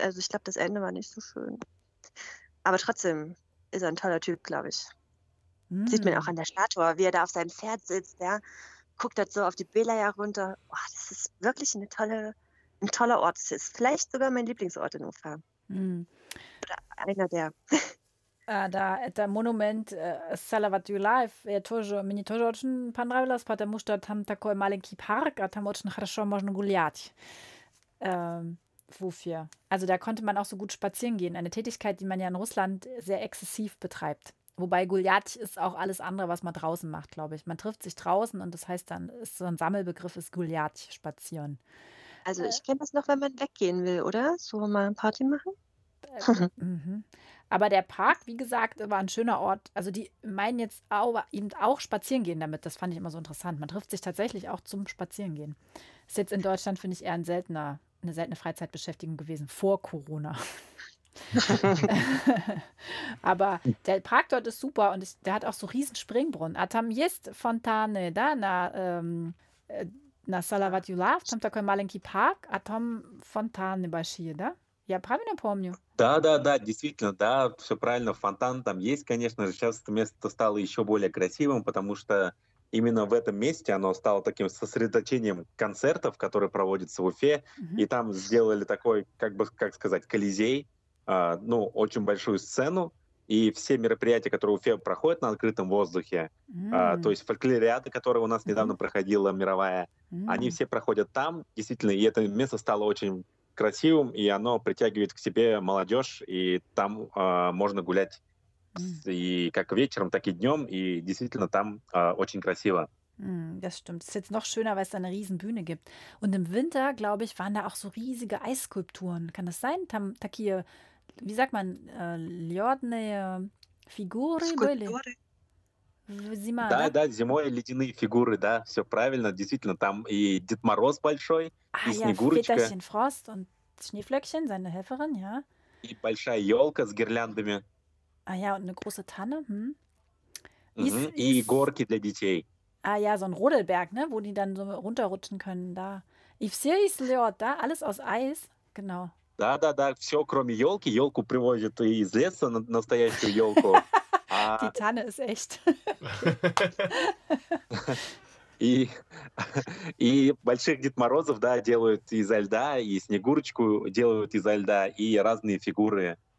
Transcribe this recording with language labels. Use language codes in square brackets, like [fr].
[de] Also ich glaube, das Ende war nicht so schön. Aber trotzdem ist er ein toller Typ, glaube ich. Sieht man auch an der Statue, wie er da auf seinem Pferd sitzt, ja, guckt das so auf die Bela ja runter. Oh, das ist wirklich ein toller Ort. Das ist vielleicht sogar mein Lieblingsort in Ufa. Mm. Oder einer der. [ru] Da Monument Salavat You Life, mini тоже очень понравилось, потому что там такой маленький парк, а там очень хорошо можно гулять. [de] Wofür? Also da konnte man auch so gut spazieren gehen. Eine Tätigkeit, die man ja in Russland sehr exzessiv betreibt. Wobei Guljatsch ist auch alles andere, was man draußen macht, glaube ich. Man trifft sich draußen und das heißt dann, ist so ein Sammelbegriff ist Guljatsch, spazieren. Also ich kenne das noch, wenn man weggehen will, oder? So mal eine Party machen? Aber der Park, wie gesagt, war ein schöner Ort. Also die meinen jetzt auch, eben auch spazieren gehen damit. Das fand ich immer so interessant. Man trifft sich tatsächlich auch zum Spazieren gehen. Ist jetzt in Deutschland, finde ich, eher ein seltener eine seltene Freizeitbeschäftigung gewesen, vor Corona. Aber der Park dort ist super und der hat auch so riesen Springbrunnen. [ru] А там есть фонтаны, да, на Salavat You Love, там такой маленький парк, а там фонтаны большие, да? Я правильно помню? Да, действительно, да, все правильно, фонтан там есть, конечно же, сейчас это место стало еще более красивым, потому что именно в этом месте оно стало таким сосредоточением концертов, которые проводятся в Уфе, и там сделали такой, как бы, как сказать, колизей, ну, очень большую сцену, и все мероприятия, которые в Уфе проходят на открытом воздухе, то есть фольклориады, которые у нас недавно проходила мировая, они все проходят там, действительно, и это место стало очень красивым, и оно притягивает к себе молодежь, и там можно гулять. И как вечером, так и днем, и действительно там очень красиво. [de] Das stimmt. Es ist jetzt noch schöner, weil es da eine riesen Bühne gibt. Und im Winter, glaube ich, waren da auch so riesige Eisskulpturen. Kann das sein? [ru] Там такие, [de] wie sagt man, [ru] ледяные фигуры были? Зима, да? Да, зимой ледяные фигуры, да, все правильно, действительно, там и Дед Мороз большой, и Снегурочка. [de] Ja, Väterchen Frost und Schneeflöckchen, seine Helferin, ja. [ru] И большая елка с гирляндами. [de] Ah ja, und eine große Tanne. Hm. [ru] И горки для детей. [de] Ah ja, so ein Rodelberg, ne, wo die dann so runterrutschen können, da. [ru] И все из лёд, да? [de] Alles aus Eis, genau. [ru] Да, все кроме ёлки. Ёлку привозят из леса, настоящую ёлку. [de] Die Tanne ist echt. [ru] И больших Дед Морозов, да, делают изо льда, и Снегурочку делают изо льда, и разные фигуры.